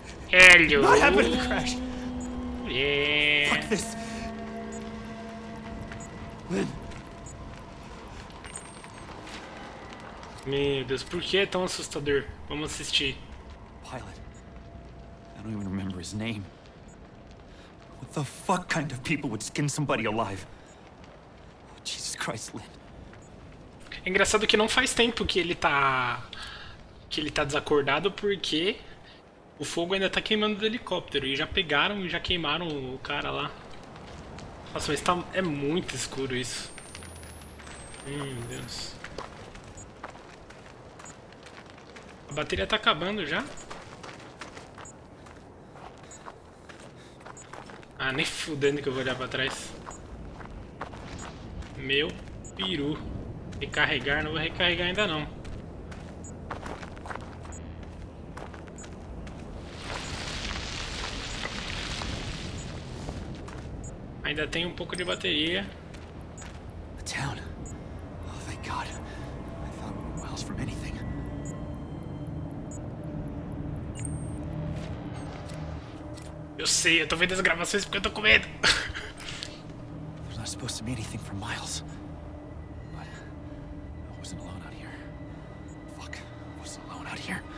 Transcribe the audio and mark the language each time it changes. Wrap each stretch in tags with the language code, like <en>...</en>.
<en>Hello. Not happening. Crash. Yeah. Fuck this. Lynn.</en> <pt>Meu Deus, por que é tão assustador? Vamos assistir.</pt> <en>Pilot. I don't even remember his name. What the fuck kind of people would skin somebody alive? Oh, Jesus Christ, Lynn.</en> <pt>É engraçado que não faz tempo que ele tá desacordado porque o fogo ainda tá queimando do helicóptero, e já pegaram e já queimaram o cara lá. Nossa, mas tá, é muito escuro isso. Meu Deus. A bateria tá acabando já? Ah, nem fudendo que eu vou olhar pra trás. Meu peru. Recarregar, não vou recarregar ainda não. Ainda tem um pouco de bateria.</pt> <en>A town. Oh, thank God. I thought we were miles from anything.</en> <pt>Eu sei, eu tô vendo as gravações porque eu tô com medo.</pt> <en>There's not supposed to be anything for miles. But I wasn't alone out here. Fuck, I wasn't alone out here.</en>